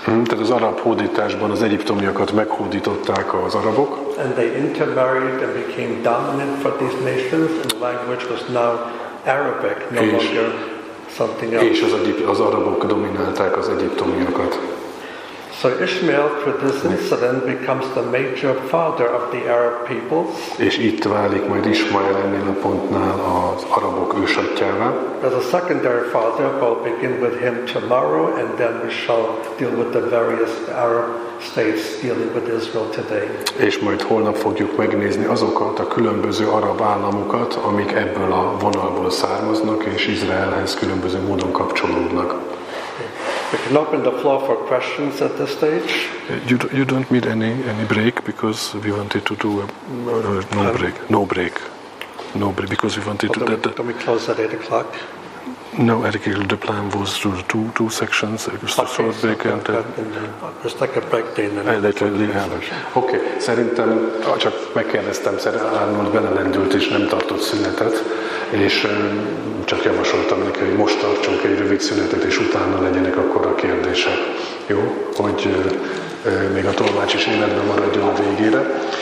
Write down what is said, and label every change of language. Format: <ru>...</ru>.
<hu>Tehát az arab hódításban az egyiptomiakat meghódították az arabok.</hu> <en>And they intermarried and became dominant for these nations, and the language was now Arabic, no longer something else.</en> <hu>És az arabok dominálták az egyiptomiakat.</hu> <en>So Ishmael through this incident becomes the major father of the Arab peoples.</en> <hu>És itt válik majd Ismael ennél a pontnál az arabok ősatyává.</hu> <en>As a secondary father, we'll begin with him tomorrow, and then we shall deal with the various Arab states dealing with Israel today.</en> <hu>És majd holnap fogjuk megnézni azokat a különböző arab államokat, amik ebből a vonalból származnak és Izraelhez különböző módon kapcsolódnak.</hu> <en>We can open the floor for questions at this stage. You don't need any break because we wanted to do no break because we wanted to. Can we close at 8:00? No, Erik, the plan was to do two sections, just okay, a short break so and just like a break then.</en> <hu>Okay, szerintem csak megkérdeztem, Arnold belelendült és nem tartott szünetet, és csak javasoltam neki, hogy most tartsunk egy rövid szünetet, és utána legyenek akkor a kérdések. Jó? Hogy még a tolmács is életben maradjon a végére.</hu>